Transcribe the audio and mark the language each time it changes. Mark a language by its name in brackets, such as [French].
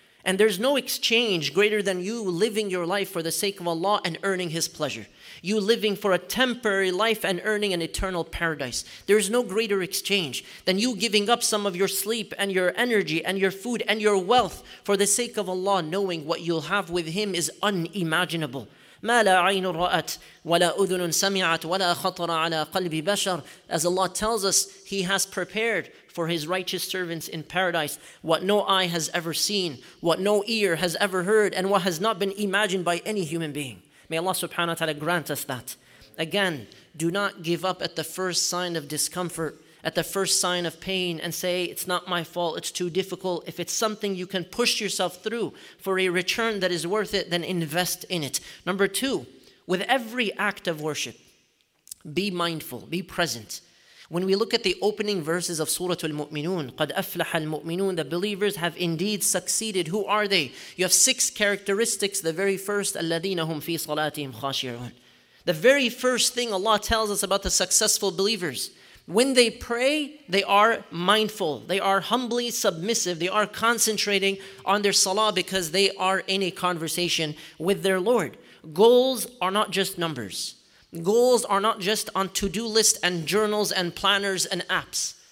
[English] And there's no exchange greater than you living your life for the sake of Allah and earning His pleasure. You living for a temporary life and earning an eternal paradise. There's no greater exchange than you giving up some of your sleep and your energy and your food and your wealth for the sake of Allah, knowing what you'll have with Him is unimaginable. [Arabic] ما لا عين رأت ولا أذن سمعت ولا خطر على قلب بشر. [English] As Allah tells us, He has prepared for His righteous servants in paradise what no eye has ever seen, what no ear has ever heard, and what has not been imagined by any human being. May Allah subhanahu wa ta'ala grant us that. Again, do not give up at the first sign of discomfort, at the first sign of pain, and say, "It's not my fault, it's too difficult." If it's something you can push yourself through for a return that is worth it, then invest in it. Number two, with every act of worship, be mindful, be present. When we look at the opening verses of Surah Al-Mu'minun, [Arabic] قَدْ أَفْلَحَ الْمُؤْمِنُونَ, [English] the believers have indeed succeeded. Who are they? You have six characteristics. The very first, [Arabic] الَّذِينَ هُمْ فِي صَلَاتِهِمْ خَاشِعُونَ. [English] The very first thing Allah tells us about the successful believers, when they pray, they are mindful. They are humbly submissive. They are concentrating on their salah because they are in a conversation with their Lord. Goals are not just numbers. Goals are not just on to-do lists and journals and planners and apps.